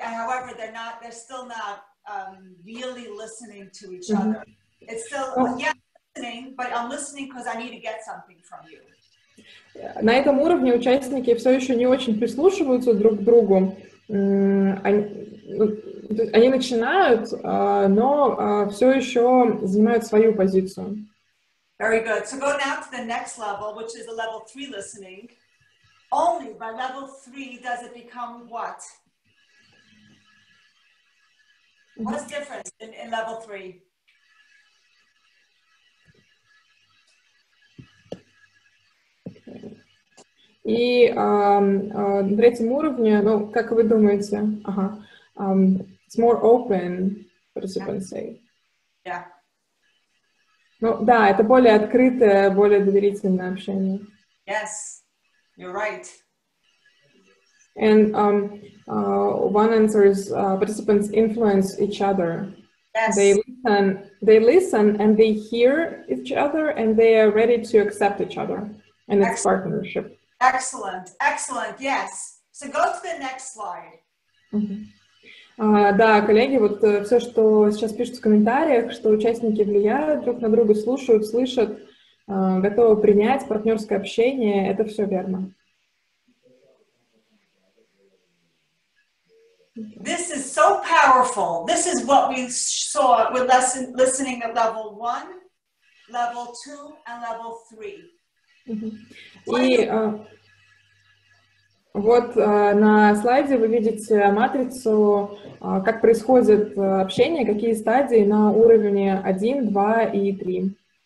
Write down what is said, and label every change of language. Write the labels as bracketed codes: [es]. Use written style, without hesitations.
[en] However, they're still not really listening to each other. It's still listening, but I'm listening because I need to get something from you. [ru] На этом уровне участники все еще не очень прислушиваются друг к другу. Они начинают, но все еще занимают свою позицию. [en] Very good. So go now to the next level, which is a level three listening. Only by level three does it become what? What's different in level three? [ru] И на третьем уровне, ну, как вы думаете? [en] Ага. It's more open, participants say. Yeah. [ru] Ну да, это более открытое, более доверительное общение. [en] Yes, you're right. And one answer is participants influence each other. Yes. They listen and they hear each other and they are ready to accept each other and its partnership. Excellent, excellent, yes. So go to the next slide. Mm-hmm. [ru] Да, коллеги, вот все, что сейчас пишут в комментариях, что участники влияют друг на друга, слушают, слышат, готовы принять партнерское общение, это все верно. [en] This is so powerful. This is what we saw with listening at level one, level two, and level three. [ru] Вот на слайде вы видите матрицу, как происходит общение, какие стадии на уровне 1, 2 и 3.